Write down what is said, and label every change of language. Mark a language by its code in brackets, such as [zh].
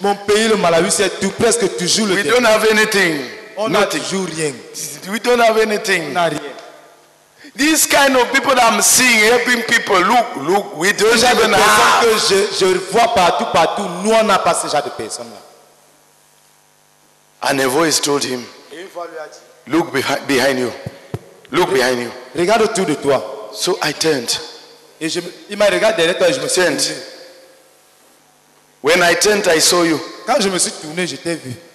[fr] Mon pays, le Malawi, c'est tout, presque toujours le dernier. [en] We don't have anything. [fr] On n'a toujours rien. [en] We don't have anything. [fr] On n'a rien. [en] This kind of people that I'm seeing helping people, look, we don't have [fr] a que je vois partout, nous on n'a pas ce genre de personnes là. [en] And a voice told him, look behind you. Look behind you. [fr] Regarde autour de toi. [en] So I turned. [fr] Et il m'a regardé derrière toi et je me suis [en] turned. When I turned, I saw you. [fr] Quand je me suis tourné, je t'ai vu.